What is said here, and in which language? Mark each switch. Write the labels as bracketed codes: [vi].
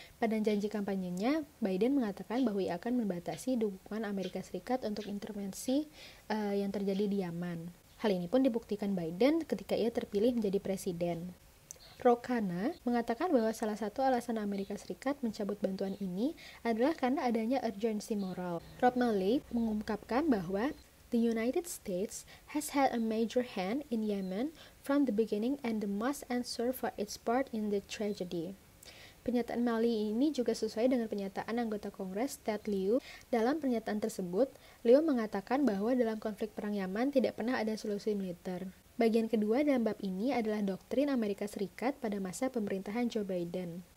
[id] Pada janji kampanyenya, Biden mengatakan bahwa ia akan membatasi dukungan Amerika Serikat untuk intervensi yang terjadi di Yaman. Hal ini pun dibuktikan Biden ketika ia terpilih menjadi presiden. Ro Khanna mengatakan bahwa salah satu alasan Amerika Serikat mencabut bantuan ini adalah karena adanya urgency moral. Rob Malley mengungkapkan bahwa [en] the United States has had a major hand in Yemen from the beginning and the must answer for its part in the tragedy. [id] Pernyataan Malley ini juga sesuai dengan pernyataan anggota Kongres Ted Lieu. Dalam pernyataan tersebut, Lieu mengatakan bahwa dalam konflik Perang Yaman tidak pernah ada solusi militer. Bagian kedua dalam bab ini adalah doktrin Amerika Serikat pada masa pemerintahan Joe Biden.